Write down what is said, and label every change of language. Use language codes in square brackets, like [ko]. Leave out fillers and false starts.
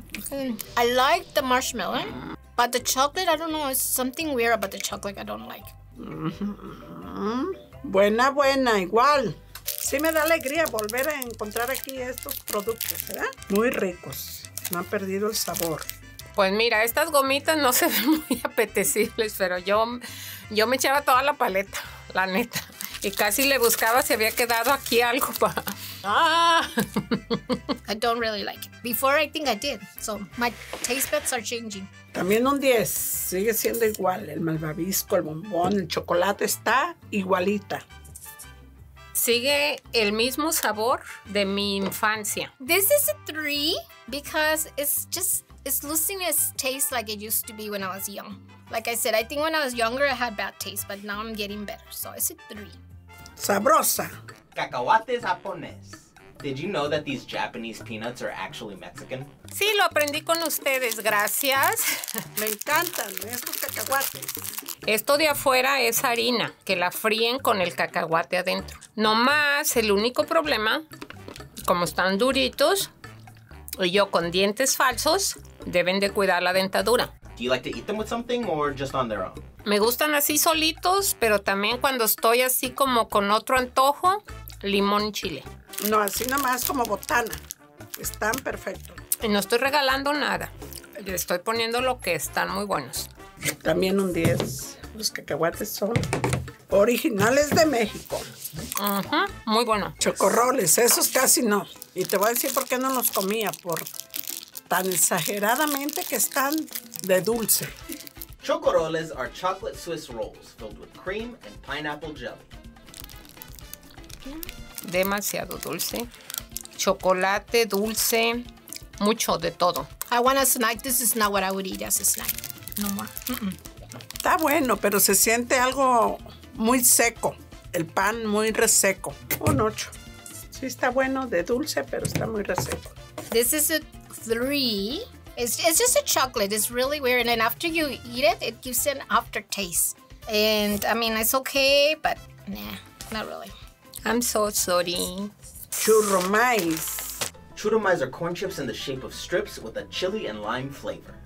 [en] I like the marshmallow, but the chocolate, I don't know, it's something weird about the chocolate I don't like. [es] Mm-hmm. Buena, buena, igual. Sí me da alegría volver a encontrar aquí estos productos, ¿verdad? Muy ricos, no han perdido el sabor. Pues mira, estas gomitas no se ven muy apetecibles, pero yo me echaba toda la paleta, la neta. Y casi le buscaba si había quedado aquí algo para... [en] Ah. I don't really like it. Before I think I did. So my taste buds are changing. [es] También un 10. Sigue siendo igual. El malvavisco, el bombón, el chocolate está igualita. Sigue el mismo sabor de mi infancia. [en] This is a 3 because it's losing its taste like it used to be when I was young. Like I said, I think when I was younger I had bad taste, but now I'm getting better. So it's a 3. [es] Sabrosa. Cacahuate japonés. [en] Did you know that these Japanese peanuts are actually Mexican? [es] Sí, lo aprendí con ustedes, gracias. Me encantan estos cacahuates. Esto de afuera es harina, que la fríen con el cacahuate adentro. No más, el único problema, como están duritos, y yo con dientes falsos, deben de cuidar la dentadura. [en] Do you like to eat them with something or just on their own? [es] Me gustan así solitos, pero también cuando estoy así como con otro antojo, limón y chile. No, así nada más como botana. Están perfectos. Y no estoy regalando nada. Le estoy poniendo lo que están muy buenos. También un 10. Los cacahuates son originales de México. Uh-huh. Muy bueno. Chocorroles, esos casi no. Y te voy a decir por qué no los comía, por tan exageradamente que están de dulce. [en] Chocoroles are chocolate Swiss rolls filled with cream and pineapple jelly. [es] Demasiado dulce. Chocolate, dulce, mucho de todo. [en] I want a snack. This is not what I would eat as a snack. No more. Mm-mm. [es] Está bueno, pero se siente algo muy seco. El pan muy reseco. Un 8. Sí está bueno de dulce, pero está muy reseco. [en] This is a 3. It's just a chocolate. It's really weird. And then after you eat it, it gives an aftertaste. And I mean, it's okay, but nah, not really. I'm so sorry. [es] Churro maíz. [en] Churro maíz are corn chips in the shape of strips with a chili and lime flavor.